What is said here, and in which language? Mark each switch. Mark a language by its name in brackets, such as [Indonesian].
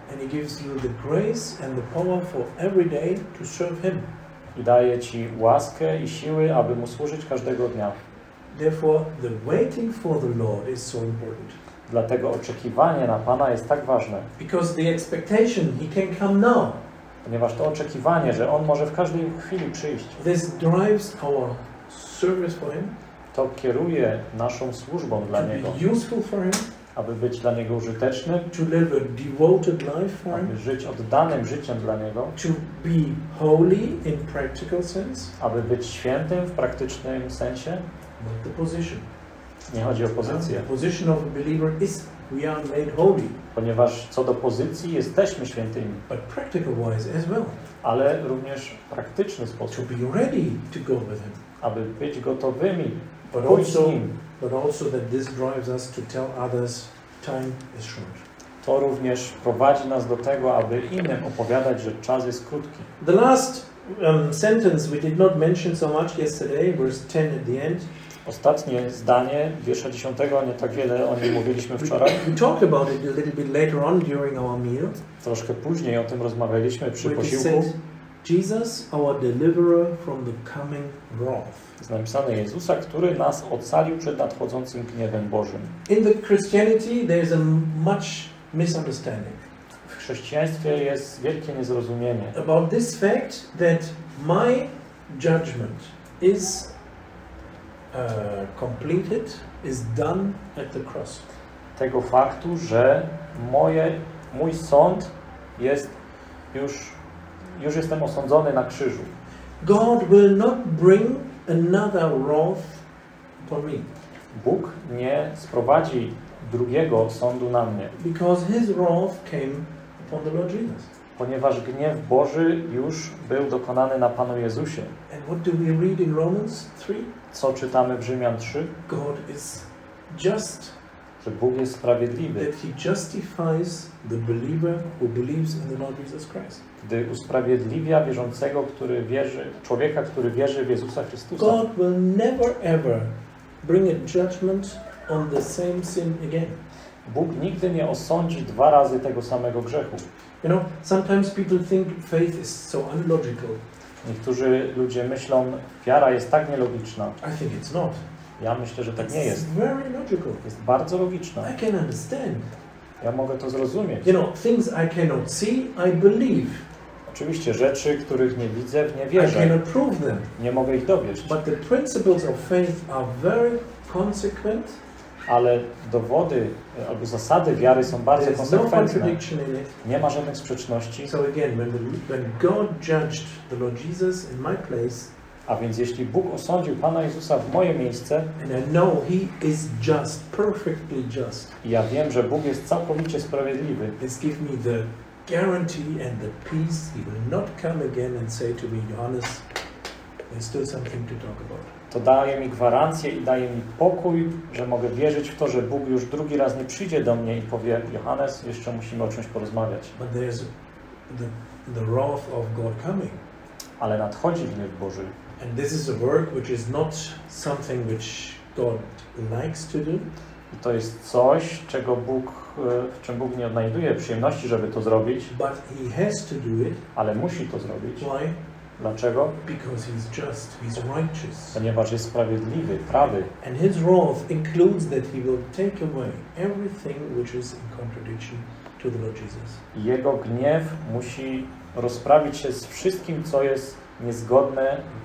[English] And He gives you the grace and the power for every day to serve Him. [Polish] I daje Ci łaskę i siły, aby Mu służyć każdego dnia. [English] Therefore, the waiting for the Lord is so important. [Polish] Dlatego oczekiwanie na Pana jest tak ważne. [English] Because the expectation He can come now. [Polish] Ponieważ to oczekiwanie, że On może w każdej chwili przyjść. [English] This drives our service for Him. [Polish] To kieruje naszą służbą dla Niego, aby być dla Niego użyteczny, [English] to live a devoted life for Him, [Polish] aby żyć oddanym życiem dla Niego, [English] to be holy in practical sense, [Polish] aby być świętym w praktycznym sensie. [English] Not the position. [Polish] Nie chodzi o pozycję. [English] The position of a believer is we are made holy. [Polish] Ponieważ co do pozycji jesteśmy świętymi. [English] But practical wise as well. [Polish] Ale również w praktyczny sposób. [English] To be ready to go with Him. [Polish] Aby być gotowymi, [English] but also that this drives us to tell others time is short. [Polish] To również prowadzi nas do tego, aby innym opowiadać, że czas jest krótki. [English] The last sentence we did not mention so much yesterday, verse 10 at the end. [Polish] Ostatnie zdanie, wiersza 10, nie tak wiele o nim mówiliśmy wczoraj. [English] We talked about it a little bit later on during our meal. [Polish] Troszkę później o tym rozmawialiśmy przy posiłku. [English] Said, Jesus, our deliverer from the coming wrath. [Polish] Jest napisane Jezusa, który nas ocalił przed nadchodzącym gniewem Bożym. [English] In the Christianity there is a much misunderstanding. [Polish] W chrześcijaństwie jest wielkie niezrozumienie. [English] About this fact that my judgment is completed, is done at the cross. [Polish] Tego faktu, że mój sąd jest już jestem osądzony na krzyżu. [English] God will not bring another wrath upon me. [Polish] Bóg nie sprowadzi drugiego sądu na mnie. [English] Because his wrath came upon the Lord Jesus. [Polish] Ponieważ gniew Boży już był dokonany na Panu Jezusie. [English] And what do we read in Romans 3? [Polish] Co czytamy w Rzymian 3? [English] God is just. [Polish] Że Bóg jest sprawiedliwy. [English] That he justifies the believer who believes in the Lord Jesus Christ. [Polish] Gdy usprawiedliwia wierzącego, który wierzy, człowieka, który wierzy w Jezusa Chrystusa. [English] God will never ever bring a judgment on the same sin again. [Polish] Bóg nigdy nie osądzi dwa razy tego samego grzechu. [English] You know, sometimes people think faith is so illogical. [Polish] Niektórzy ludzie myślą, wiara jest tak nielogiczna. [English] I think it's not. [Polish] Ja myślę, że tak nie jest. [English] It's very logical. [Polish] Jest bardzo logiczna. [English] I can understand. [Polish] Ja mogę to zrozumieć. [English] You know, things I cannot see, I believe. [Polish] Oczywiście rzeczy, których nie widzę, w nie wierzę. [English] I cannot prove them. [Polish] Nie mogę ich dowieść. [English] But the principles of faith are very consequent. [Polish] Ale dowody albo zasady wiary są bardzo konsekwentne. Nie ma żadnych sprzeczności. [English] So again, when God judged the Lord Jesus in my place, [Polish] a więc jeśli Bóg osądził Pana Jezusa w moje miejsce, [English] and I know he is just, perfectly just. [Polish] Ja wiem, że Bóg jest całkowicie sprawiedliwy. [English] This gives me the guarantee and the peace. He will not come again and say to me, Johannes, there's still something to talk about. [Polish] To daje mi gwarancję i daje mi pokój, że mogę wierzyć w to, że Bóg już drugi raz nie przyjdzie do mnie i powie, Johannes, jeszcze musimy o czymś porozmawiać. [English] But there's the wrath of God coming. [Polish] Ale nadchodzi gniew Boży. [English] And this is a work which is not something which God likes to do. [Polish] I to jest coś, czego Bóg, w czym Bóg nie odnajduje przyjemności, żeby to zrobić. [English] But he has to do it. [Polish] Ale musi to zrobić. [English] Why? [Polish] Dlaczego? [English] Because he's just, he's righteous. [Polish] Ponieważ jest sprawiedliwy, prawy. [English] And his wrath includes that he will take away everything which is in contradiction to the Lord Jesus. [Polish] Jego gniew musi rozprawić się z wszystkim, co jest niezgodne.